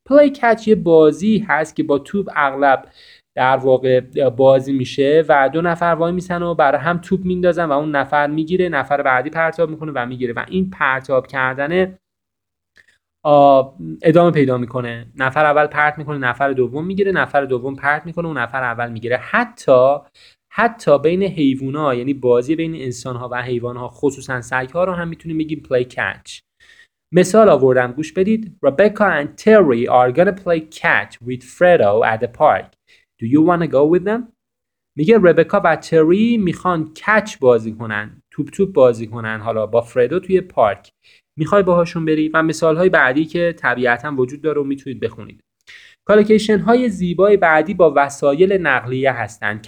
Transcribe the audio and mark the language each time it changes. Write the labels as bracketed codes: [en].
[fa] پلی کچ یه بازی هست که با توپ اغلب در واقع بازی میشه و دو نفر وای میسن و برای هم توپ میندازن و اون نفر میگیره، نفر بعدی پرتاب میکنه و میگیره و این پرتاب کردن ادامه پیدا میکنه. نفر اول پرت میکنه، نفر دوم میگیره، نفر دوم پرت میکنه، اون نفر اول میگیره. حتی بین حیوانات، یعنی بازی بین انسان ها و حیوان ها، خصوصا سگ ها رو هم میتونیم بگیم پلی کچ. مثال آوردم گوش بدید. [en] Rebecca and Terry are gonna play catch with Fredo at the park. Do you wanna go with them? [fa] میگه ربکا و تری میخوان کچ بازی کنن، توپ توپ بازی کنن، حالا با فردو توی پارک. میخوای باهاشون بری؟ و مثال های بعدی که طبیعتا وجود داره و میتونید بخونید. کالوکیشن های زیبای بعدی با وسایل نقلیه هستند.